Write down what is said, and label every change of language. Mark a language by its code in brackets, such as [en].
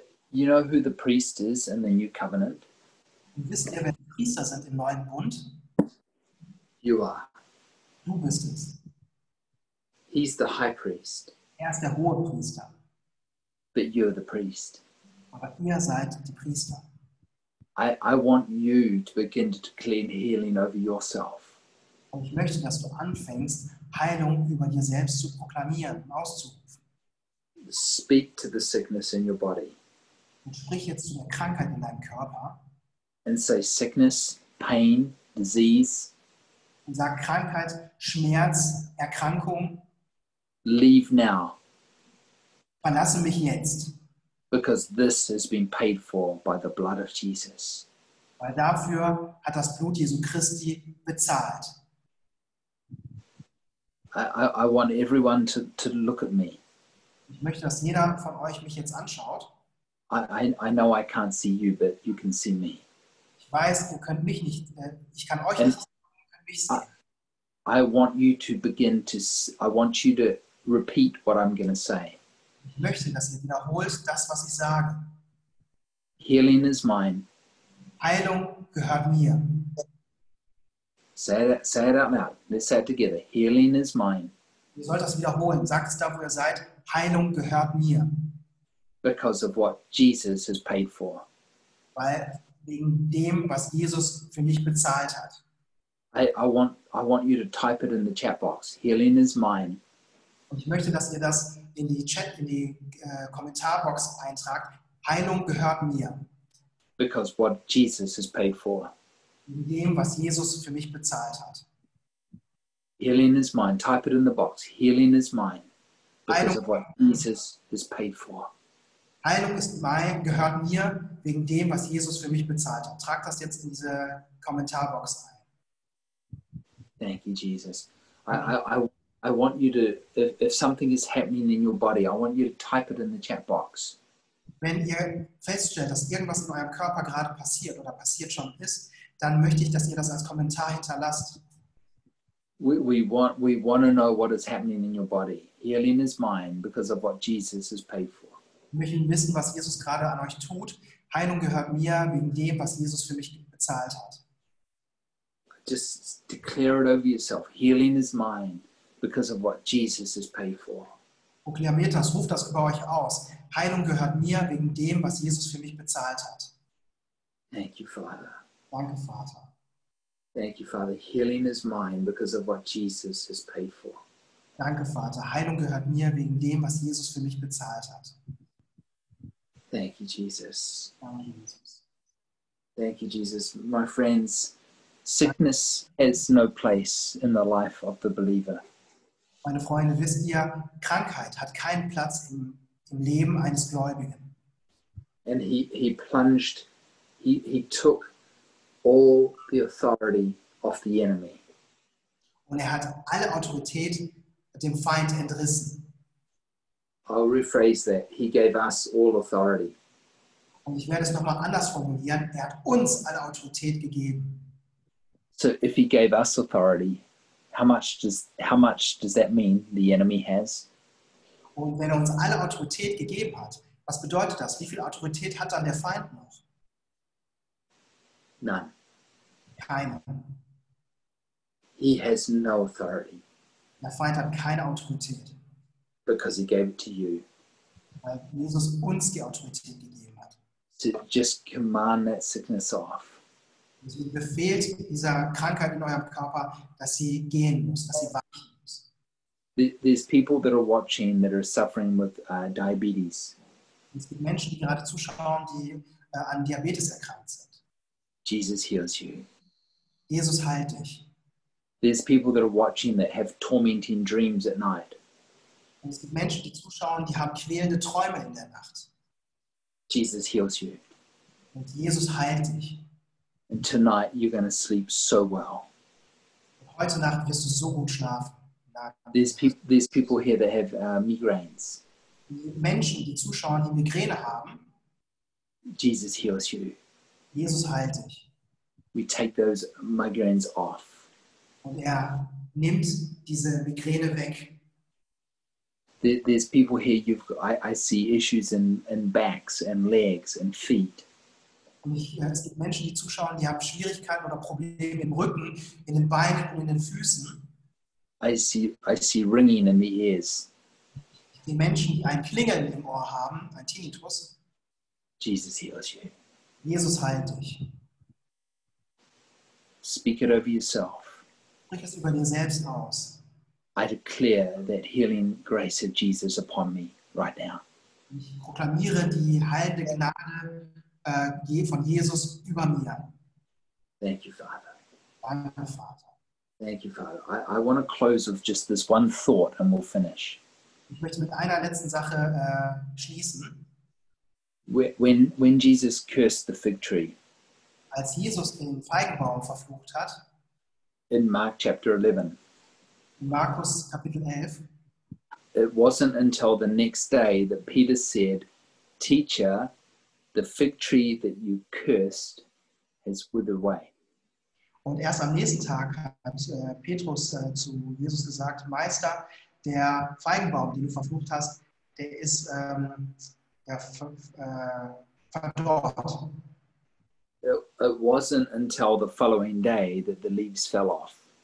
[en] You know who the priest is in the new covenant? [de] Und wisst ihr, wer die Priester sind im neuen Bund? [en] You are. [de] Du bist es. [en] He's the high priest. [de] Er ist der hohe Priester. [en] But you're the priest. [de] Aber ihr seid die Priester. [en] I want you to begin to claim healing over yourself. [de] Und ich möchte, dass du anfängst, Heilung über dir selbst zu proklamieren und auszurufen. [en] Speak to the sickness in your body. [de] Und sprich jetzt zu der Krankheit in deinem Körper. [en] And say sickness, pain, disease. [de] Und sag Krankheit, Schmerz, Erkrankung. [en] Leave now. [de] Verlasse mich jetzt. [en] Because this has been paid for by the blood of Jesus. [de] Weil dafür hat das Blut Jesu Christi bezahlt. [en] I want everyone to look at me. [de] Ich möchte, dass jeder von euch mich jetzt anschaut. [en] I know I can't see you, but you can see me. [de] Ich weiß, ihr könnt mich nicht. Ich kann euch nicht sehen, ihr könnt mich sehen. [en] I want you to repeat what I'm going to say. [de] Ich möchte, dass ihr wiederholt das, was ich sage. [en] Healing is mine. [de] Heilung gehört mir. [en] Say it out loud. Let's say it together. Healing is mine. [de] Ihr sollt das wiederholen. Sagt es da, wo ihr seid. Heilung gehört mir. [en] Because of what Jesus has paid for. [de] Weil wegen dem, was Jesus für mich bezahlt hat. [en] I want you to type it in the chat box. Healing is mine. [de] Und ich möchte, dass ihr das in die Chat, in die Kommentarbox eintragt. Heilung gehört mir. [en] Because what Jesus has paid for. [de] Wegen dem, was Jesus für mich bezahlt hat. [en] Healing is mine. Type it in the box. Healing is mine. Because Heilung of what Jesus has paid for. [de] Heilung ist mein, gehört mir wegen dem, was Jesus für mich bezahlt hat. Trag das jetzt in diese Kommentarbox ein. [en] Thank you, Jesus. I want you to, if something is happening in your body, I want you to type it in the chat box. [de] Wenn ihr feststellt, dass irgendwas in eurem Körper gerade passiert oder passiert schon ist, dann möchte ich, dass ihr das als Kommentar hinterlasst. [en] We want to know what is happening in your body. Healing is mine because of what Jesus has paid for. [de] Wir möchten wissen, was Jesus gerade an euch tut. Heilung gehört mir wegen dem, was Jesus für mich bezahlt hat. [en] Just declare it over yourself. Healing is mine because of what Jesus has paid for. [de] Proklamiert das, ruft das über euch aus. Heilung gehört mir wegen dem, was Jesus für mich bezahlt hat. [en] Thank you, Father. [de] Danke, Vater. [en] Thank you, Father. Healing is mine because of what Jesus has paid for. [de] Danke, Vater. Heilung gehört mir wegen dem, was Jesus für mich bezahlt hat. [en] Thank you, Jesus. [de] Danke, Jesus. [en] Thank you, Jesus. My friends, sickness has no place in the life of the believer. [de] Meine Freunde, wisst ihr, Krankheit hat keinen Platz im Leben eines Gläubigen. [en] And he plunged, he took all the authority of the enemy. [de] Und er hat alle Autorität dem Feind entrissen. [en] I'll rephrase that. He gave us all authority. [de] Und ich werde es nochmal anders formulieren. Er hat uns alle Autorität gegeben. [en] So if he gave us authority, how much does that mean the enemy has? [de] Und wenn er uns alle Autorität gegeben hat, was bedeutet das? Wie viel Autorität hat dann der Feind noch? [en] None. [de] Keine. [en] He has no authority. [de] Der Feind hat keine Autorität. [en] Because he gave it to you. [de] Weil Jesus uns die Autorität gegeben hat. [en] To just command that sickness off. [de] Sie befehlt dieser Krankheit in eurem Körper, dass sie gehen muss, dass sie weichen muss. [en] There's people that are watching that are suffering with diabetes. [de] Es gibt Menschen, die gerade zuschauen, die an Diabetes erkrankt sind. [en] Jesus heals you. [de] Jesus heilt dich. [en] There's people that are watching that have tormenting dreams at night. [de] Und es gibt Menschen, die zuschauen, die haben quälende Träume in der Nacht. [en] Jesus heals you. [de] Und Jesus heilt dich. [en] And tonight you're going to sleep so well. [de] Und heute Nacht wirst du so gut schlafen. [en] There's people here that have migraines. [de] Menschen, die zuschauen, die Migräne haben. [en] Jesus heals you. [de] Jesus heilt dich. [en] We take those migraines off. [de] Und er nimmt diese Migräne weg. [en] There's people here. I see issues in backs and legs and feet. [de] Es gibt Menschen, die zuschauen, die haben Schwierigkeiten oder Probleme im Rücken, in den Beinen und in den Füßen. [en] I see ringing in the ears. [de] Die Menschen, die ein Klingeln im Ohr haben, ein Tinnitus. [en] Jesus heals you. [de] Jesus heilt dich. [en] Speak it over yourself. [de] Sprich es über dir selbst aus. [en] I declare that healing grace of Jesus upon me right now. [de] Ich proklamiere die heilende Gnade von Jesus über mir. [en] Thank you, Father. [de] Danke, Vater. [en] Thank you, Father. I want to close with just this one thought and we'll finish. [de] Ich möchte mit einer letzten Sache schließen. [en] When Jesus cursed the fig tree, [de] als Jesus den Feigenbaum verflucht hat, [en] in Mark chapter 11, [de] Markus Kapitel 11. [en] It wasn't until the next day that Peter said, "Teacher, the fig tree that you cursed has withered away." [de] Und erst am nächsten Tag hat Petrus zu Jesus gesagt, Meister, der Feigenbaum, den du verflucht hast, der ist verdorrt. [en] It wasn't until the following day that the leaves fell off.